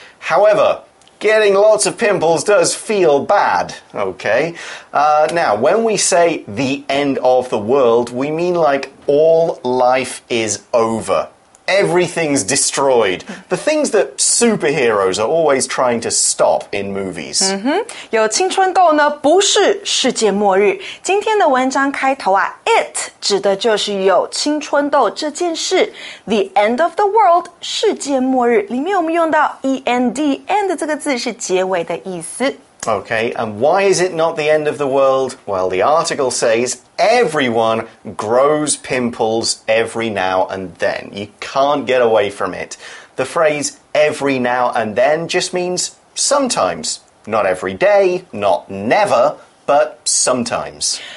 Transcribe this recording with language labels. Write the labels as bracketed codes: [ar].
[en] However, getting lots of pimples does feel bad, okay? Now, when we say the end of the world, we mean like all life is over. Everything's destroyed. The things that superheroes are always trying to stop in movies. [zh] 有青春痘呢，不是世界末日。今天的文章开头啊 ，it 指的就是有青春痘这件事。 [en] The end of the world， [zh] 世界末日。里面我们用到 end 这个字是结尾的意思。 [en] Okay, and why is it not the end of the world? Well, the article says everyone grows pimples every now and then. You can't get away from it. The phrase every now and then just means sometimes. Not every day, not never, but sometimes.